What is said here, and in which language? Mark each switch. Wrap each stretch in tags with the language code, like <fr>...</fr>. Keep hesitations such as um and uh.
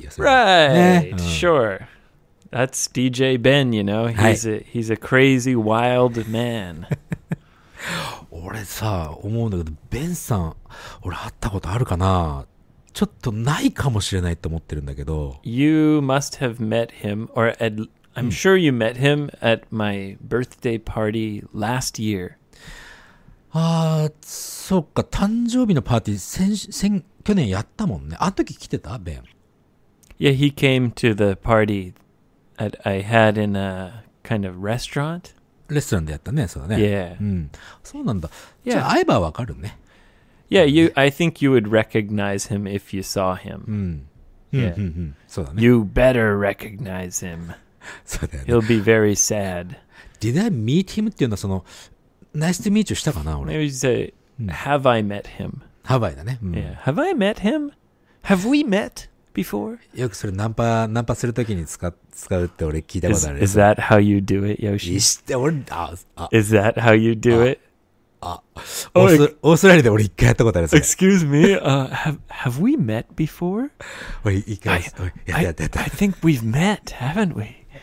<en>Right,、ね、うん、sure. That's DJ Ben, you know. he's a, he a crazy wild man.</en> <ja>俺さ、思うんだけど、ベンさん、俺会ったことあるかなちょっとないかもしれないと思ってるんだけど。</ja> <en>You must have met him, or at, I'm sure you met him at my birthday party last year.</en> <ja>ああ、そうか、誕生日のパーティー先先、去年やったもんね。あの時来てた、ベン。</ja> <en>Yeah, he came to the party that I had in a kind of restaurant.</en> <ja>レストランでやったね、そうだね。うん、そうなんだ。じゃあ、会えばわかるね。</ja> <en>Yeah, yeah, you, I think you would recognize him if you saw him. うん。Yeah. You better recognize him. He'll be very sad. Yeah. Did I meet him? Nice to meet you. Maybe you say, Have I met him? Have yeah. I, yeah. Have I met him? Have we met? before?</en> <ja>よくそれナンパ、ナンパするときに使,使うって俺聞いたことある。</ja> <en>Is, is that how you do it, Yoshi? Is that how you do it?</en> <ja>あ、オーストラリアで俺一回やったことある。</ja> <en>Excuse oh, oh, like, me,、uh, have, have we met before? I, I, I, think we've met, haven't we?</en>